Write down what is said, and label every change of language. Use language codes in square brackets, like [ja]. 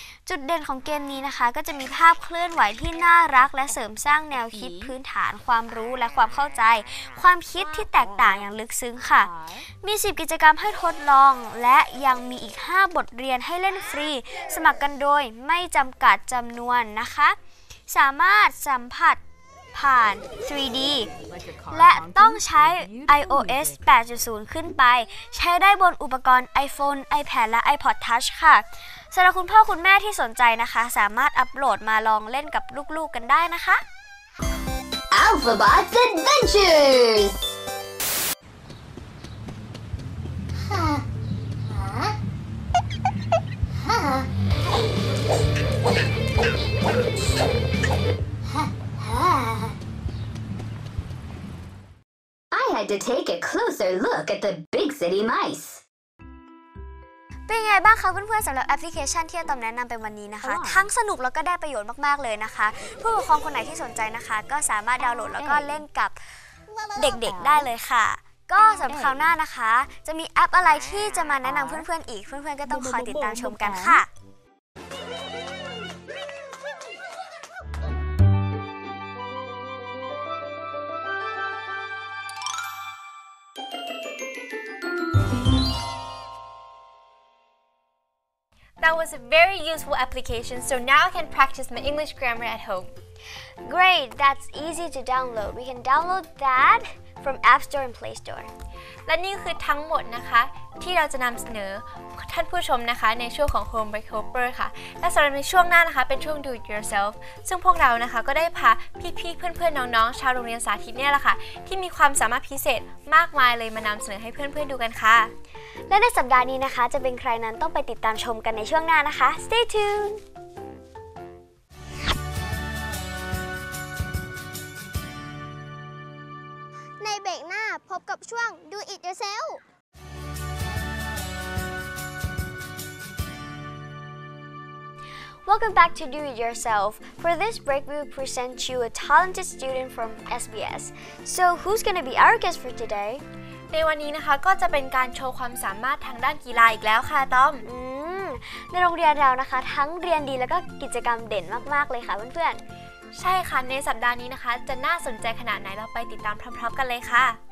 [th] จุดเด่นของเกมนี้นะคะก็จะมีภาพเคลื่อนไหวที่น่ารักและเสริมสร้างแนวคิดพื้นฐานความรู้และความเข้าใจความคิดที่แตกต่างอย่างลึกซึ้งค่ะมี10กิจกรรมให้ทดลองและยังมีอีก5บทเรียนให้เล่นฟรีสมัครกันโดยไม่จำกัดจำนวนนะคะสามารถสัมผัสผ่าน 3D และต้องใช้ iOS 8.0 ขึ้นไปใช้ได้บนอุปกรณ์ iPhone, iPad และ iPod Touch ค่ะสำหรับคุณพ่อคุณแม่ที่สนใจนะคะสามารถอัพโหลดมาลองเล่นกับลูกๆกันได้นะคะ [en] Alphabet Adventures I had to take a closer look at the big city mice [th] เป็นไงบ้างคะเพื่อนๆสำหรับแอปพลิเคชันที่อาตอมแนะนำไปวันนี้นะคะทั้งสนุกแล้วก็ได้ประโยชน์มากๆเลยนะคะผู้ปกครองคนไหนที่สนใจนะคะก็สามารถดาวน์โหลดแล้วก็เล่นกับเด็กๆได้เลยค่ะก็สำหรับคราวหน้านะคะจะมีแอปอะไรที่จะมาแนะนำเพื่อนๆอีกเพื่อนๆก็ต้องคอยติดตามชมกันค่ะ [en] That was a very useful application, so now I can practice my English grammar at home. Great, that's easy to download. We can download that from App Store and Play Store. [th] และนี่คือทั้งหมดนะคะที่เราจะนำเสนอท่านผู้ชมนะคะในช่วงของ Homework Helper ค่ะและสำหรับในช่วงหน้านะคะเป็นช่วง Do It Yourself ซึ่งพวกเรานะคะก็ได้พาพี่ๆเพื่อนๆน้องๆชาวโรงเรียนสาธิตเนี่ยแหละค่ะที่มีความสามารถพิเศษมากมายเลยมานำเสนอให้เพื่อนๆดูกันค่ะ และในสัปดาห์นี้นะคะจะเป็นใครนั้นต้องไปติดตามชมกันในช่วงหน้านะคะ [en] Stay tuned [th] ในเบรกหน้าพบกับช่วง Do It Yourself [en] Welcome back to Do It Yourself. For this break, we will present you a talented student from SBS. So, who's going to be our guest for today? [th] ในวันนี้นะคะก็จะเป็นการโชว์ความสามารถทางด้านกีฬาอีกแล้วค่ะต้อม ในโรงเรียนเรานะคะทั้งเรียนดีแล้วก็กิจกรรมเด่นมากๆเลยค่ะเพื่อน ใช่ค่ะในสัปดาห์นี้นะคะจะน่าสนใจขนาดไหนเราไปติดตามพร้อมๆกันเลยค่ะ